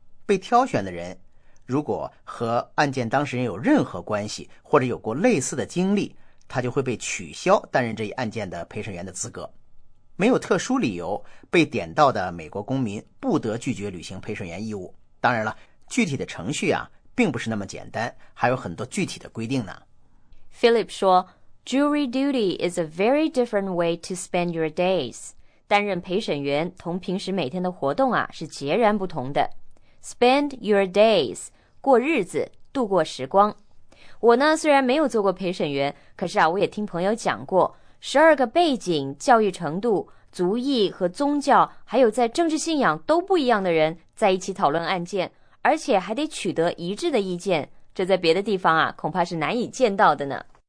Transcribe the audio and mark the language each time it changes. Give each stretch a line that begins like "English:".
Chinese: 被挑选的人如果和案件当事人有任何关系或者有过类似的经历，他就会被取消担任这一案件的陪审员的资格。没有特殊理由，被点到的美国公民不得拒绝履行陪审员义务。当然了，具体的程序啊并不是那么简单，还有很多具体的规定呢。
English: Philip
Chinese: 说
English: Jury duty is a very different way to spend your days.
Chinese: 担任陪审员同平时每天的活动啊是截然不同的。
English: Spend your days,
Chinese: 过日子，度过时光。我呢虽然没有做过陪审员，可是啊我也听朋友讲过，十二个背景、教育程度、族裔和宗教，还有在政治信仰都不一样的人在一起讨论案件，而且还得取得一致的意见，这在别的地方啊恐怕是难以见到的呢。